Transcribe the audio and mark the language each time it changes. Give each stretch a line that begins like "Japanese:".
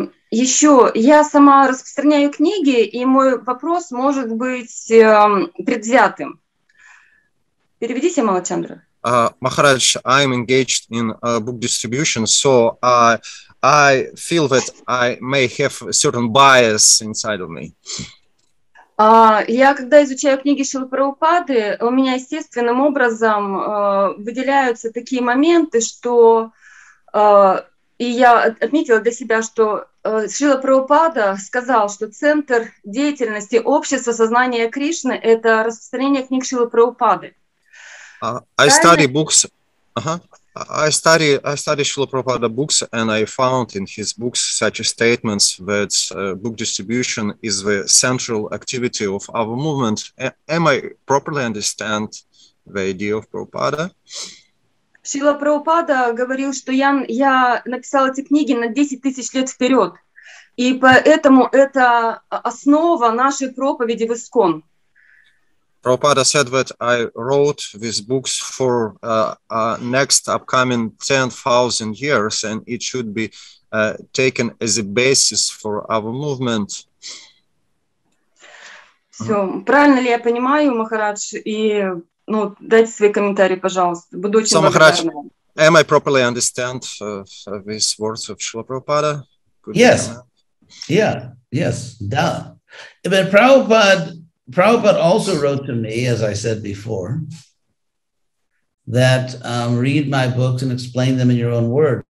Russian: Еще я сама распространяю книги, и мой вопрос может быть предвзятым. Переведите, Малачандра.
English: Махарадж, I'm engaged in book distribution, so I feel that I may have a certain bias inside of me.
Russian: Я когда изучаю книги Шрилы Прабхупады, у меня естественным образом выделяются такие моменты, что и я отметила для себя, что Шрила Прабхупада сказал, что центр деятельности общества сознания Кришны — это распространение книг Шрилы Прабхупады.
English: I study books. I study Шрила Прабхупада books, and I found in his books such statements that book distribution is the central activity of our movement. Am I properly understand the idea of Prabhupada?
Russian: Шрила Прабхупада говорил, что я написал эти книги на 10,000 лет вперед, и поэтому это основа нашей проповеди в ИСКОН.
English: Prabhupada said that I wrote these books for next upcoming 10,000 years, and it should be taken as a basis for our movement.
Russian: Все, правильно ли я понимаю, Махарадж? И ну дайте свои комментарии, пожалуйста. Буду очень благодарна.
English: Am I properly understand these words of Srila Prabhupada? Yes. Yes. Duh. But Prabhupada also wrote to me, as I said before, that read my books and explain them in your own words.